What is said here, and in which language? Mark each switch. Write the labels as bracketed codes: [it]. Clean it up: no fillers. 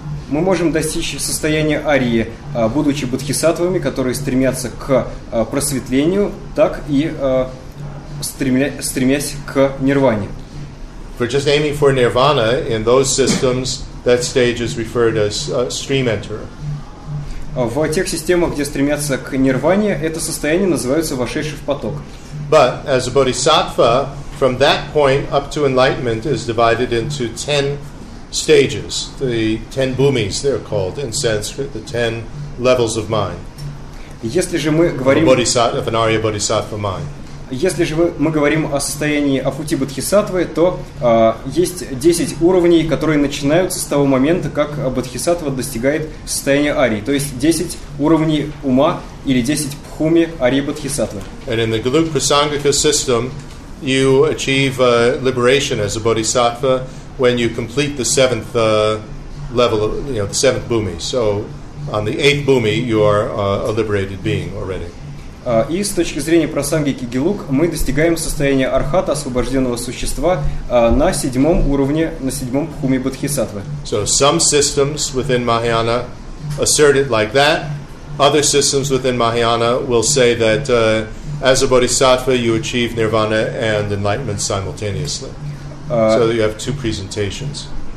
[ru] Мы можем достичь состояния арии будучи бодхисаттвами, которые стремятся к просветлению, так и стремясь к нирване. [en] For just aiming for nirvana in those systems, that stage is referred as stream enterer. [ru] В тех системах, где стремятся к нирване, это состояние называется вошедший в поток. [en] But as a bodhisattva, from that point up to enlightenment is divided into 10 stages, the 10 bhumis, they're called in Sanskrit, the 10 levels of mind. [ru] Если же мы говорим [en] bodhisattva, an arya bodhisattva mind. [ru] Если же мы говорим о состоянии о пути бодхисаттвы, то есть 10 уровней, которые начинаются с того момента, как бодхисаттва достигает состояния арии. То есть 10 уровней ума или 10 бхуми арии бодхисаттвы. [en] And in the Galup Prasangika system, you achieve liberation as a bodhisattva when you complete the 7th level, of, you know, the 7th bhumi. So on the 8th bhumi, you are a liberated being already. [ru] И с точки зрения просангики Гелук мы достигаем состояния архата, освобожденного существа, на седьмом уровне, на седьмом пхуме бодхисаттвы. [en] So some systems within Mahayana assert it like that. Other systems within Mahayana will say that as a bodhisattva you achieve nirvana and enlightenment simultaneously. So you have two presentations.